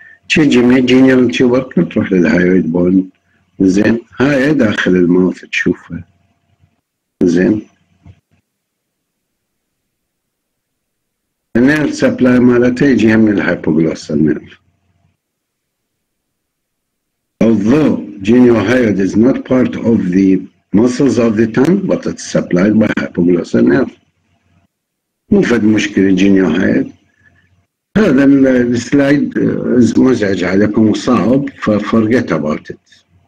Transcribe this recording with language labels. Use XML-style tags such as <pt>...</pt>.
<ar>تجي من الجينيال تيوبر تروح للهايود بون زين، هاي داخل الماوث تشوفها زين. النيرف سبلاي مالتها يجيها من الهايبوغلوسال نيرف.</ar> <en>Although genial hyoid is not part of the muscles of the tongue, but it's supplied by hypoglossal nerve.</en> <ar>مو فد مشكلة genial hyoid. هذا السلايد مزعج عليكم وصعب ف</ar> <en>forget about it.</en>